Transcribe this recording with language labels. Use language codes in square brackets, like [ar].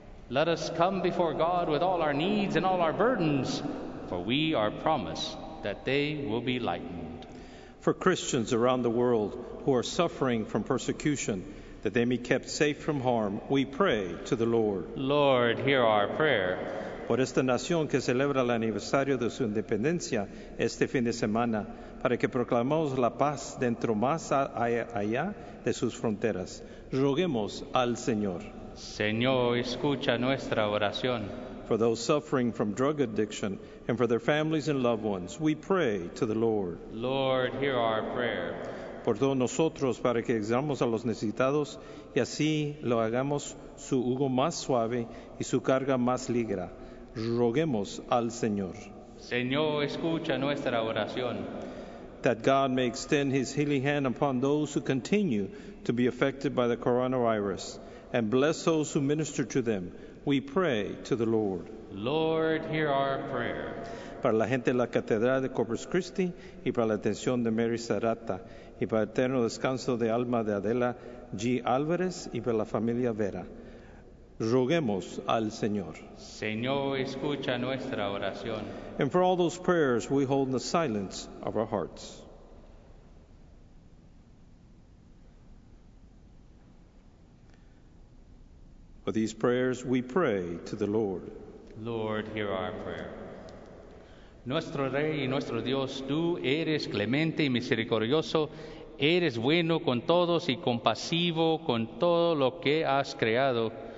[en] Let us come before God with all our needs and all our burdens, for we are promised that they will be lightened. For Christians around the world who are suffering from persecution, that they may be kept safe from harm, we pray to the Lord. Lord, hear our prayer. [es] Por esta nación que celebra el aniversario de su independencia este fin de semana, para que proclamemos la paz dentro más allá de sus fronteras, roguemos al Señor. Señor, escucha nuestra oración. [en] For those suffering from drug addiction and for their families and loved ones, we pray to the Lord. Lord, hear our prayer. [es] Por todos nosotros, para que ayudemos a los necesitados y así lo hagamos su yugo más suave y su carga más ligera, roguemos al Señor. Señor, escucha nuestra oración. [en] That God may extend his healing hand upon those who continue to be affected by the coronavirus and bless those who minister to them, we pray to the Lord. Lord, hear our prayer. [es] Para la gente de la Catedral de Corpus Christi y para la atención de Mary Sarata y para el eterno descanso de alma de Adela G. Álvarez y para la familia Vera, roguemos al Señor. Señor, escucha nuestra oración. [en] And for all those prayers we hold in the silence of our hearts. For these prayers we pray to the Lord. Lord, hear our prayer. [es] Nuestro Rey y nuestro Dios, tú eres clemente y misericordioso, eres bueno con todos y compasivo con todo lo que has creado.